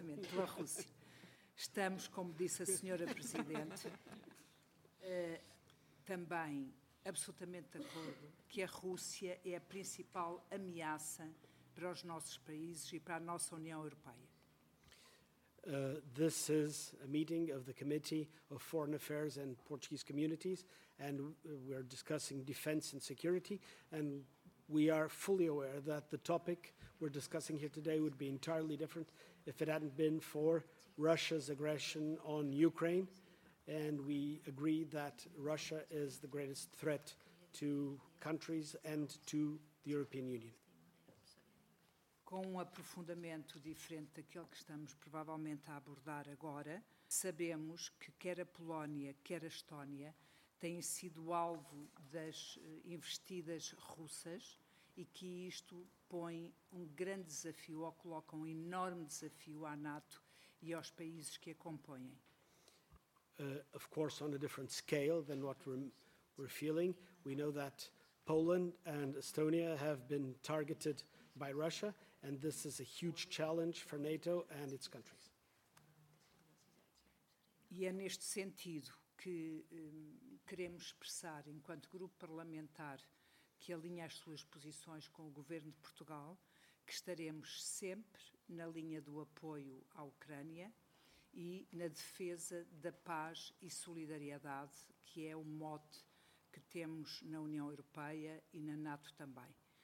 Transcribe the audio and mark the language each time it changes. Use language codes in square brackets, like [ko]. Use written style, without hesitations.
[pt] Pela Rússia. Estamos, como disse a Senhora Presidente, também absolutamente de acordo que a Rússia é a principal ameaça para os nossos países e para a nossa União Europeia. [en] This is a meeting of the Committee of Foreign Affairs and Portuguese Communities, and we're discussing defense and security, and we are fully aware that the topic we're discussing here today would be entirely different if it hadn't been for Russia's aggression on Ukraine, and we agree that Russia is the greatest threat to countries and to the European Union. [pt] Com um aprofundamento diferente daquele que estamos provavelmente a abordar agora, sabemos que quer a Polónia, quer a Estónia têm sido alvo das investidas russas e que isto põe um grande desafio ou coloca um enorme desafio à NATO e aos países que a compõem. [en] Of course, on a different scale than what we're feeling, we know that Poland and Estonia have been targeted by Russia, and this is a huge challenge for NATO and its countries. [pt] E é neste sentido que queremos expressar, enquanto grupo parlamentar que alinha as suas posições com o governo de Portugal, que que estaremos sempre na linha do apoio à Ucrânia e na defesa da paz e solidariedade, que é o mote que temos na União Europeia e na NATO também.